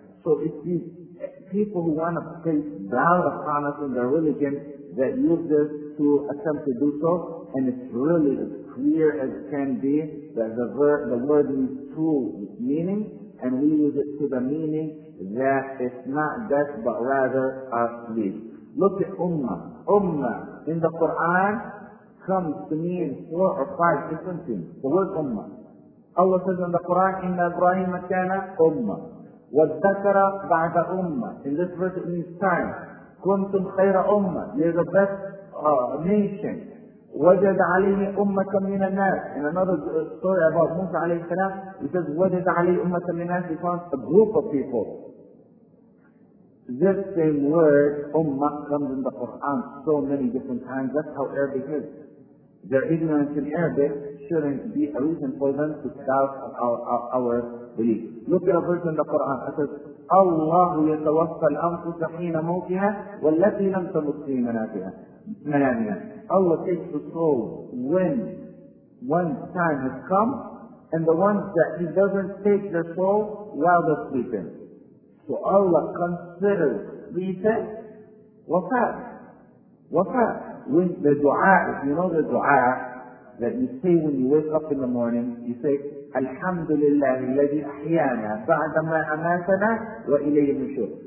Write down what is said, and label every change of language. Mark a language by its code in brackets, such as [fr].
[en] So if these people who want to place doubt upon us in their religion that use this to attempt to do so, and it's really as clear as can be that the word means true meaning, and we use it to the meaning that it's not death but rather our sleep. Look at Ummah. Ummah in the Quran comes to mean four or five different things. The word Ummah. Allah says in the Quran, [ar] إِنَّ إِبْرَاهِيمَ كَانَ أُمَّةً وَذَكَرَ بَعْدَ أُمَّةً. [en] In this verse it means time. [ar] كُنْتُمْ خَيْرَ أُمَّةً. [en] You're the best nation. [ar] وَجَدَ عَلَيْهِ أُمَّةً مِنَ النَّاسِ. [en] In another story about Musa alayhi salam, he says, [ar] وَجَدَ عَلَيْهِ أُمَّةً مِنَ النَّاسِ. [en] He found a group of people. This same word, Ummah, comes in the Quran so many different times. That's how Arabic is. Their ignorance in Arabic shouldn't be a reason for them to doubt our belief. Look at a verse in the Quran. It says, [ar] Allah يتوفى الأنفس حين موتها والتي لم تمت في منامها. [en] Allah takes the soul when one time has come, and the ones that He doesn't take their soul while they're sleeping. So Allah considers sleeping wafat. Wafat. When the dua, if you know the dua that you say when you wake up in the morning, you say, Alhamdulillah, [ar] الذي أحيانا بعد ما أماتنا وإليه النشور.